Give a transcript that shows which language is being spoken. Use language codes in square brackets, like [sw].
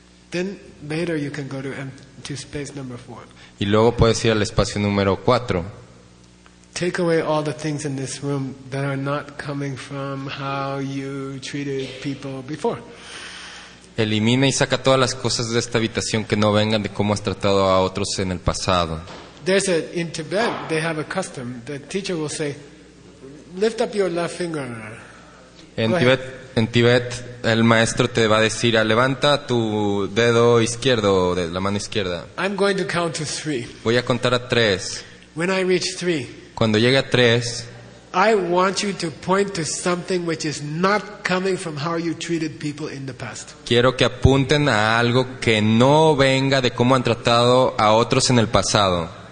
[en] Then later you can go to space number 4. [es] Y luego puedes ir al espacio número 4. [en] Take away all the things in this room that are not coming from how you treated people before. [es] Elimina y saca todas las cosas de esta habitación que no vengan de cómo has tratado a otros en el pasado. [en] There's in Tibet they have a custom. The teacher will say, lift up your left finger. [es] En Tibet el maestro te va a decir, levanta tu dedo izquierdo, de la mano izquierda. [en] I'm going to count to 3. [es] Voy a contar a 3. [en] When I reach 3. [es] Cuando llegue a 3. [en] I want you to point to something which is not coming from how you treated people in the past. [es] Quiero que apunten a algo que no venga de cómo han tratado a otros en el pasado.